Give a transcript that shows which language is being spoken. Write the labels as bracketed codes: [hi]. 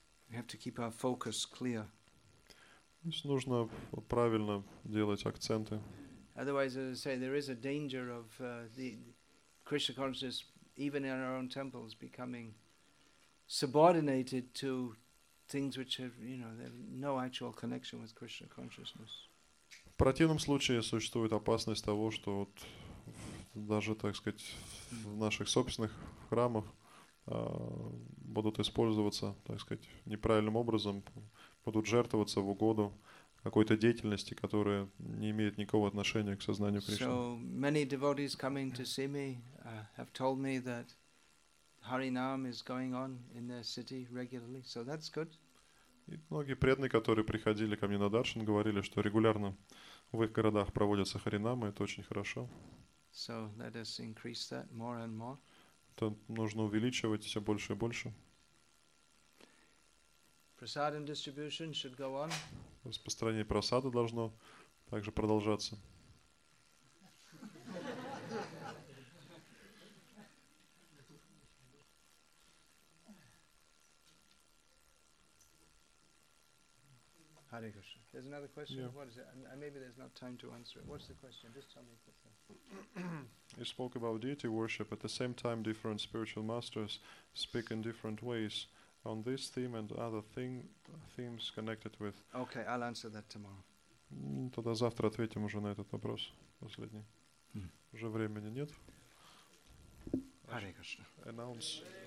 [en] We have to keep our focus clear. [ru] Здесь нужно правильно делать акценты. [en] Otherwise, as I say, there is a danger of the Krishna consciousness, even in our own temples, becoming subordinated to things which have, you know, they have no actual connection with Krishna consciousness. [ru] В противном случае существует опасность того, что вот даже, так сказать, в наших собственных храмах будут использоваться, так сказать, неправильным образом, будут жертвоваться в угоду какой-то деятельности, которая не имеет никакого отношения к сознанию Кришны. [en] So many devotees coming to see me have told me that Harinam is going on in their city regularly, so that's good. [ru] И многие преданные, которые приходили ко мне на даршан, говорили, что регулярно в их городах проводятся харинамы, это очень хорошо. [en] So let us increase that more and more. [ru] Это нужно увеличивать все больше и больше. [en] Prasadam distribution should go on. [ru] Распространение просада должно также продолжаться. [sa] Hare Krishna. [en] There's another question. Yeah. What is it? And maybe there's not time to answer it. What's the question? Just tell me quickly. You spoke about deity worship. At the same time, different spiritual masters speak in different ways on this theme and other themes connected with. Okay, I'll answer that tomorrow. [ru] Тогда завтра ответим уже на этот вопрос последний. Уже времени нет. [sa] Hare Krishna. [en] Announce.